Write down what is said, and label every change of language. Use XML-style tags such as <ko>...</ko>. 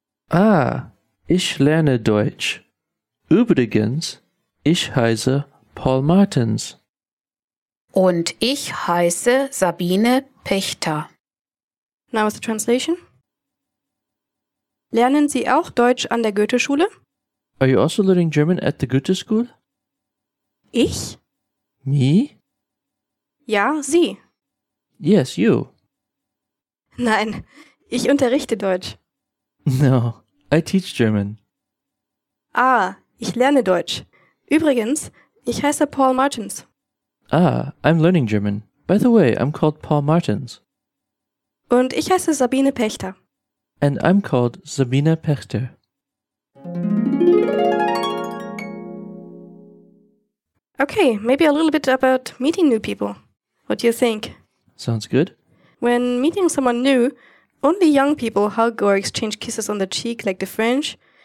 <de>Ah, ich lerne Deutsch. Übrigens, ich heiße Paul Martens. Und ich heiße Sabine Pächter.</de> <en>Now is the translation.</en> <de>Lernen Sie auch Deutsch an der Goethe-Schule?</de> <en>Are you also learning German at the Goethe School?</en> <de>Ich?</de> <en>Me?</en> <de>Ja, Sie.</de> <en>Yes, you.</en> <de>Nein, ich unterrichte Deutsch.</de> <en>No, I teach German.</en> <de>Ah, ich lerne Deutsch. Übrigens, ich heiße Paul Martens.</de> <en>Ah, I'm learning German. By the way, I'm called Paul Martens.</en> <de>Und ich heiße Sabine Pächter.</de> <en>And I'm called Sabine Pächter. Okay, maybe a little bit about meeting new people. What do you think? Sounds good. When meeting someone new, only young people hug or exchange kisses on the cheek like the French.</en>